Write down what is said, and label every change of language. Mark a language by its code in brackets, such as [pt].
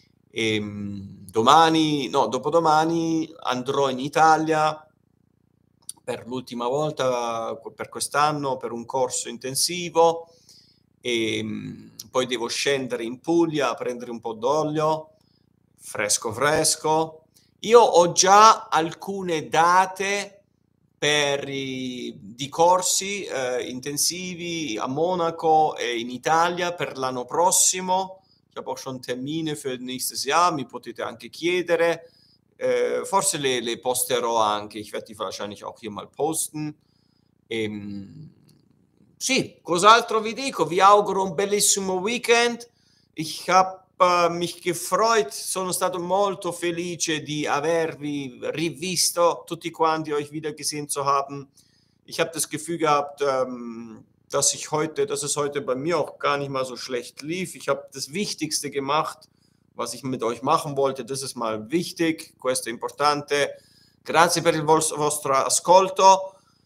[it] E domani, no, dopodomani andrò in Italia per l'ultima volta per quest'anno per un corso intensivo e poi devo scendere in Puglia a prendere un po' d'olio Fresco, fresco. Io ho già alcune date per di corsi intensivi a Monaco e in Italia per l'anno prossimo. [de] Ich habe auch schon Termine für nächstes Jahr, [it] mi potete anche chiedere. Forse le posterò anche, [de] ich werde die wahrscheinlich auch hier mal posten. [it] Sì, cos'altro vi dico? Vi auguro un bellissimo weekend. [de] Ich habe mich gefreut, [it] sono stato molto felice di avervi rivisto, tutti quanti [de] euch wieder gesehen zu haben. Ich habe das Gefühl gehabt, dass es heute bei mir auch gar nicht mal so schlecht lief. Ich habe das Wichtigste gemacht, was ich mit euch machen wollte. Das ist mal wichtig, [it] questo è importante. Grazie per il vostro ascolto.